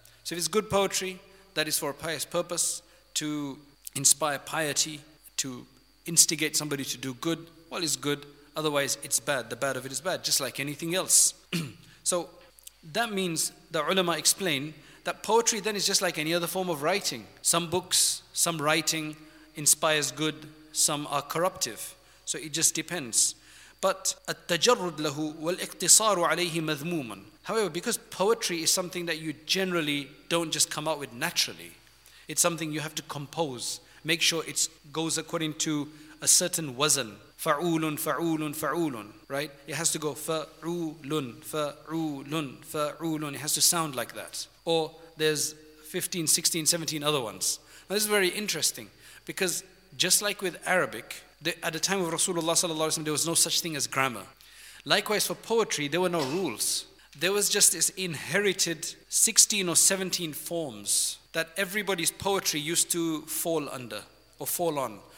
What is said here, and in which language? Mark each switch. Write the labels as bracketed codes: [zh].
[en] So if it's good poetry, that is for a pious purpose, to inspire piety, to instigate somebody to do good, well, it's good. Otherwise, it's bad. The bad of it is bad, just like anything else. So that means the ulama explain that poetry then is just like any other form of writing. Some books, some writing inspires good, some are corruptive. So it just depends. [ar] But التجرد له والاقتصار عليه مذموما. [en] However, because poetry is something that you generally don't just come out with naturally, it's something you have to compose, make sure it goes according to a certain wazan. [ar] فَعُولٌ فَعُولٌ فَعُولٌ, right? [en] It has to go [ar] فَعُولٌ فَعُولٌ فَعُولٌ. [en] It has to sound like that. Or there's 15, 16, 17 other ones. Now this is very interesting, because just like with Arabic, at the time of Rasulullah sallallahu alaihi wasallam, there was no such thing as grammar. Likewise for poetry, there were no rules. There was just this inherited 16 or 17 forms that everybody's poetry used to fall under or fall on.